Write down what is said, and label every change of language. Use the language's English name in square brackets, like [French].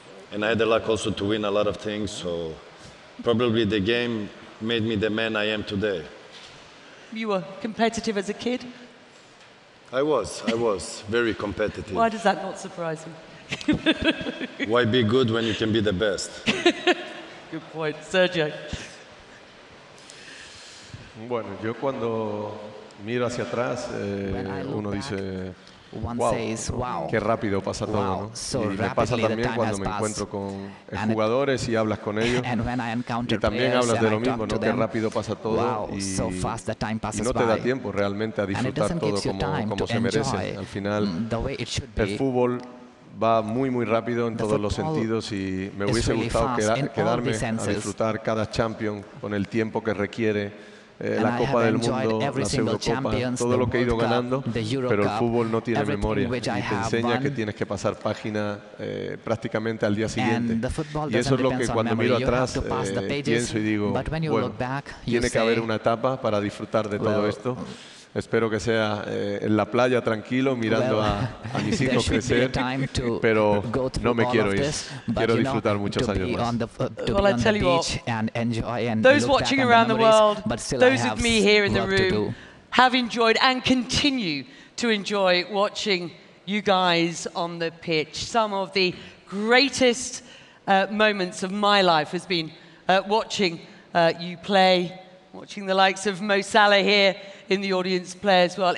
[English] And I had the luck also to win a lot of things. So probably the game made me the man I am today. You were competitive as a kid? I was very competitive. Why does that not surprise me? Why be good when you can be the best? Good point. Sergio. [Spanish] Bueno, yo cuando miro hacia atrás, uno dice, wow, qué rápido pasa todo, ¿no? So y me pasa también cuando me encuentro con jugadores y hablas con ellos, y también hablas de lo mismo, ¿no? Qué rápido pasa todo y no te da tiempo realmente a disfrutar todo como se merece. Al final, el fútbol va muy, muy rápido en todos los sentidos y me hubiese gustado quedarme a disfrutar cada Champions con el tiempo que requiere la Copa del Mundo, las Eurocopas, todo lo que he ido ganando, pero el fútbol no tiene memoria y te enseña que tienes que pasar página prácticamente al día siguiente. Y eso es lo que cuando miro atrás pienso y digo, bueno, tiene que haber una etapa para disfrutar de todo esto. Espero que sea en la playa tranquilo mirando a mis hijos crecer, pero no me quiero ir. Quiero disfrutar muchos años más. [English] Well, I tell you what, those watching around the world, those of me here in the room, have enjoyed and continue to enjoy watching you guys on the pitch. Some of the greatest moments of my life has been watching you play, watching the likes of Mo Salah here in the audience play as well.